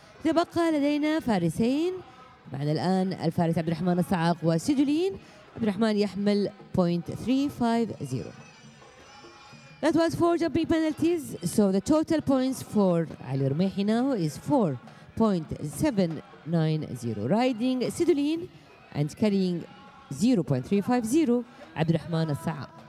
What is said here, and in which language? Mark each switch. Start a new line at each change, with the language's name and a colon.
Arabic: تبقى لدينا فارسين بعد الآن، الفارس عبد الرحمن الصعاق وسيدولين. عبد الرحمن يحمل 0.350.
English: That was 4 jumping penalties, so the total points for علي رميحي now is 4.790. Riding سيدولين and carrying 0.350 عبد الرحمن السعد.